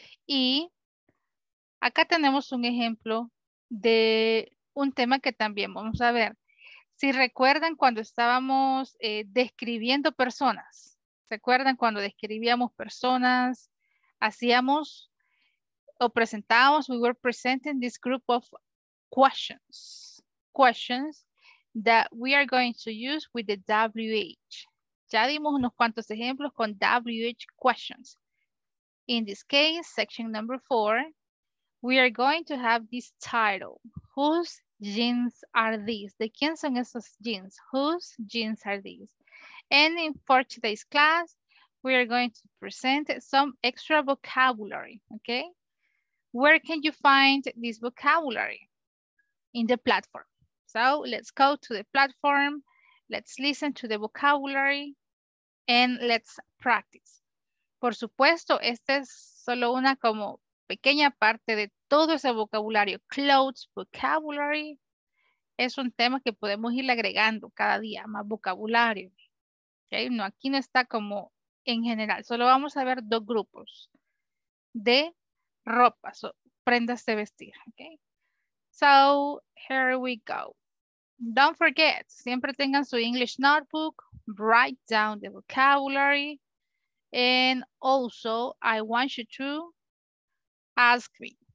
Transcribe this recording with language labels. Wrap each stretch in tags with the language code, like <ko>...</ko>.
<es>Y acá tenemos un ejemplo de un tema que también vamos a ver. Si recuerdan cuando estábamos describiendo personas, ¿se acuerdan cuando describíamos personas? Hacíamos o presentábamos,</es> <en>we were presenting this group of questions. Questions that we are going to use with the WH.</en> <es>Ya dimos unos cuantos ejemplos con WH questions.</es> <en>In this case, section number 4, we are going to have this title. Whose jeans are these?</en> <es>¿De quién son esos jeans?</es> <en>Whose jeans are these? And in for today's class, we are going to present some extra vocabulary, okay? Where can you find this vocabulary? In the platform. So let's go to the platform. Let's listen to the vocabulary and let's practice.</en> <es>Por supuesto, esta es solo una como pequeña parte de todo ese vocabulario. Clothes, vocabulary, es un tema que podemos ir agregando cada día, más vocabulario. Okay? No, aquí no está como en general, solo vamos a ver dos grupos de ropas o prendas de vestir.</es> <en>Okay? So, here we go. Don't forget,</en> <es>siempre tengan su</es> <en>English notebook, write down the vocabulary, and also, I want you to ask me.</en>